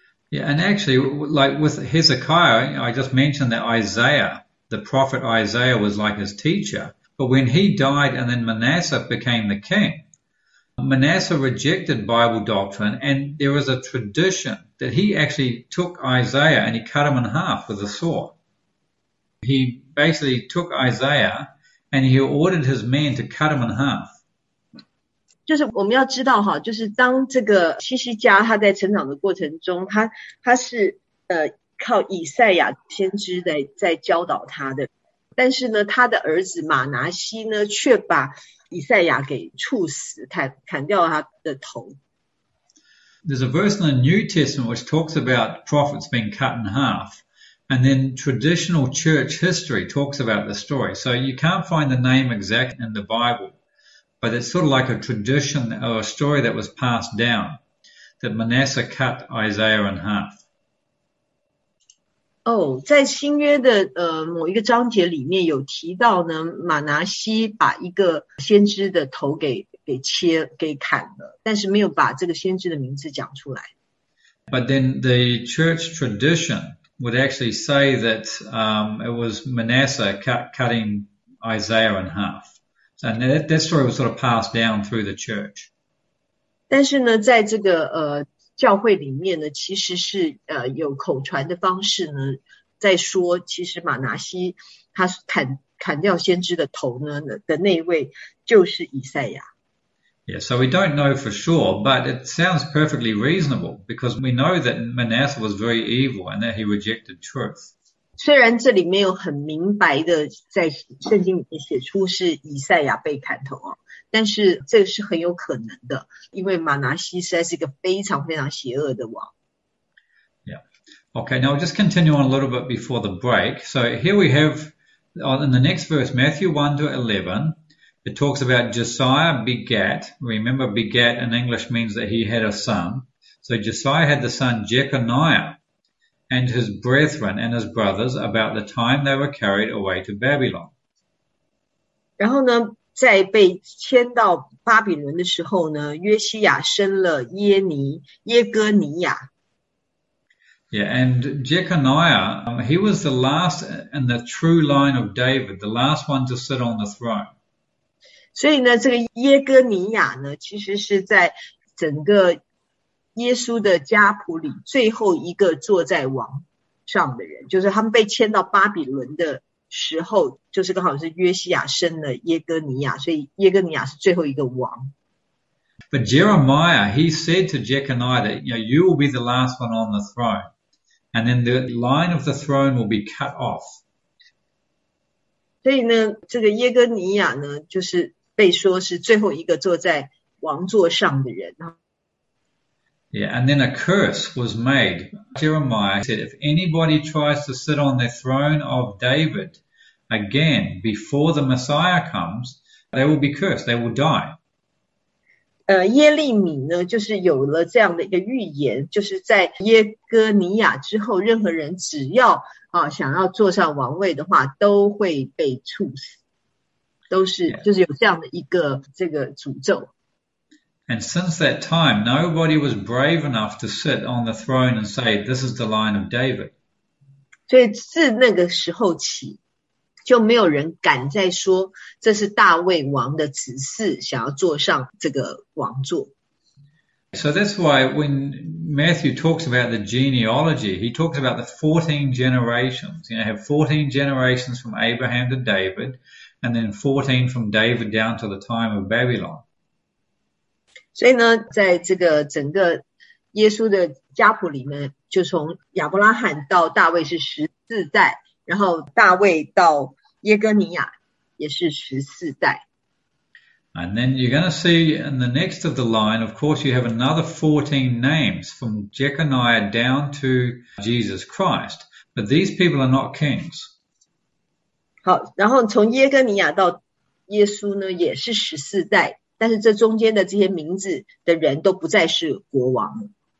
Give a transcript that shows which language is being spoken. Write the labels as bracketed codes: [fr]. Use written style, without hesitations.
[en] Yeah, and actually, like with Hezekiah, I just mentioned that Isaiah, the prophet Isaiah, was like his teacher. But when he died and then Manasseh became the king, Manasseh rejected Bible doctrine, and there was a tradition that he actually took Isaiah and he cut him in half with a saw. He basically took Isaiah and he ordered his men to cut him in half. [zh] 就是我们要知道哈，就是当这个西西家他在成长的过程中，他是靠以赛亚先知在教导他的，但是呢，他的儿子马拿西呢，却把以赛亚给处死，砍掉他的头。 [en] There's a verse in the New Testament which talks about prophets being cut in half, and then traditional church history talks about the story. So you can't find the name exact in the Bible. But it's sort of like a tradition or a story that was passed down that Manasseh cut Isaiah in half. [zh] Oh, 在新约的某一个章节里面有提到呢，马拿西把一个先知的头给砍了，但是没有把这个先知的名字讲出来。 [en] But then the church tradition would actually say that it was Manasseh cutting Isaiah in half. So that story was sort of passed down through the church. [zh] 但是呢，在这个教会里面呢，其实是有口传的方式呢，在说其实马拿西他砍掉先知的头呢的那一位就是以赛亚。 [en] Yeah, so we don't know for sure, but it sounds perfectly reasonable because we know that Manasseh was very evil and that he rejected truth. [zh] 虽然这里没有很明白的在圣经里面写出是以赛亚被砍头哦，但是这是很有可能的，因为马拿西实在是一个非常非常邪恶的王。 [en] Okay, now I'll just continue on a little bit before the break. So here we have in the next verse, Matthew 1 to 11. It talks about Josiah begat. Remember, begat in English means that he had a son. So Josiah had the son Jeconiah and his brethren and his brothers about the time they were carried away to Babylon. [zh] 然后呢，在被迁到巴比伦的时候呢，约西亚生了耶哥尼亚。 [en] Yeah, and Jeconiah, he was the last in the true line of David, the last one to sit on the throne. [zh] 所以呢，这个耶哥尼亚呢，其实是在整个耶稣的家谱里最后一个坐在王上的人，就是他们被迁到巴比伦的。时候就是刚好是约西亚生了耶哥尼亚，所以耶哥尼亚是最后一个王。 [en] But Jeremiah, he said to Jeconiah that, you will be the last one on the throne, and then the line of the throne will be cut off. [zh] 所以呢，这个耶哥尼亚呢，就是被说是最后一个坐在王座上的人。 [en] Yeah, and then a curse was made. Jeremiah said, if anybody tries to sit on the throne of David again before the Messiah comes, they will be cursed, they will die. [zh] 耶利米呢，就是有了这样的一个预言，就是在耶哥尼亚之后，任何人只要想要坐上王位的话，都会被处死，都是就是有这样的一个这个诅咒。 [en] And since that time, nobody was brave enough to sit on the throne and say, this is the line of David. [zh] 所以自那个时候起，就没有人敢再说这是大卫王的子嗣想要坐上这个王座。 [en] So that's why when Matthew talks about the genealogy, he talks about the 14 generations. You have 14 generations from Abraham to David, and then 14 from David down to the time of Babylon. [zh] 所以呢，在这个整个耶稣的家谱里面，就从亚伯拉罕到大卫是14代，然后大卫到耶哥尼亚也是14代。 [en] And then you're going to see in the next of the line, of course, you have another 14 names from Jeconiah down to Jesus Christ. But these people are not kings. [zh] 好，然后从耶哥尼亚到耶稣呢，也是14代。但是这中间的这些名字的人都不再是国王。